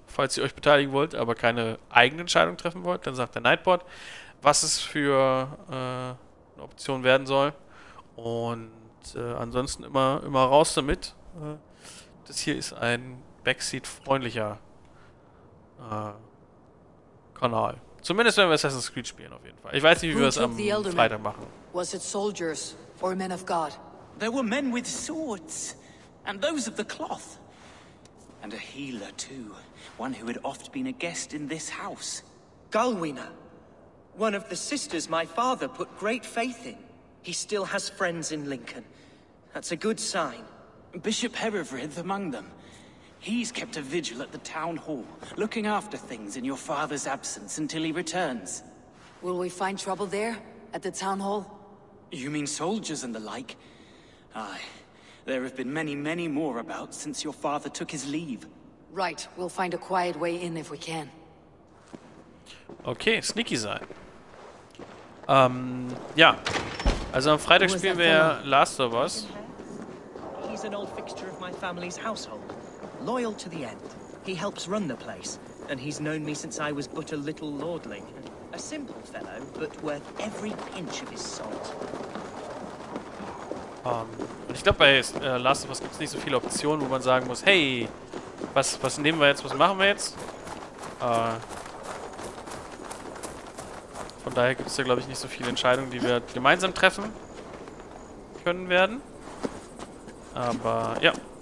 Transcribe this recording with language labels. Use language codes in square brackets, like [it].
[de] Falls ihr euch beteiligen wollt, aber keine eigene Entscheidung treffen wollt, dann sagt der Nightbot, was es für eine Option werden soll. Und ansonsten immer raus damit. Das hier ist ein Backseat-freundlicher Kanal. Zumindest wenn wir Assassin's Creed spielen, auf jeden Fall. Ich weiß nicht, wie wir es am Freitag machen. [en] Was it soldiers or men of God? There were men with swords and those of the cloth and a healer too, one who had oft been a guest in this house, Galwina, one of the sisters my father put great faith in. He still has friends in Lincoln. That's a good sign. Bishop Hereverith among them. He's kept a vigil at the town hall, looking after things in your father's absence until he returns. Will we find trouble there, at the town hall? You mean soldiers and the like? Aye, there have been many, many more about since your father took his leave. Right, we'll find a quiet way in if we can. [de] Okay, sneaky sein. Ja. Also am Freitag spielen wir Last of Us. [en] He's an old fixture of my family's household. Loyal to the end. He helps run the place, and he's known me since I was but a little lordling. A simple fellow, but worth every pinch of his salt. [de] Ich glaube, bei Last of Us gibt es nicht so viele Optionen, wo man sagen muss, hey, was nehmen wir jetzt, was machen wir jetzt? Von daher gibt es da, glaube ich, nicht so viele Entscheidungen, die wir gemeinsam treffen können werden. Aber ja.